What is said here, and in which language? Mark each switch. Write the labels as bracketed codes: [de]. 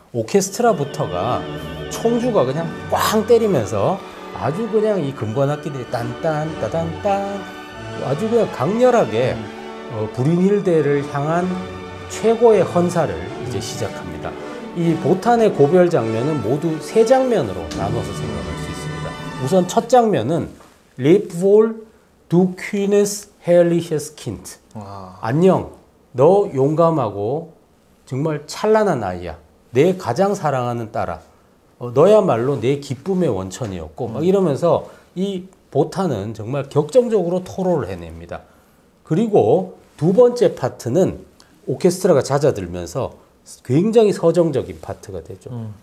[ko] 오케스트라부터가 총주가 그냥 꽝 때리면서 아주 그냥 이 금관악기들이 딴딴 따단딴 아주 그냥 강렬하게 브린힐데를 향한 최고의 헌사를 이제 시작합니다. 이 보탄의 고별 장면은 모두 세 장면으로 나눠서 생각할 수 있습니다. 우선 첫 장면은 [de] Lipwohl, du kühnes, herrliches Kind. [ko] 안녕, 너 용감하고 정말 찬란한 아이야. 내 가장 사랑하는 딸아. 너야말로 내 기쁨의 원천이었고 막 이러면서 이 보탄은 정말 격정적으로 토로를 해냅니다. 그리고 두 번째 파트는 오케스트라가 잦아들면서 굉장히 서정적인 파트가 되죠.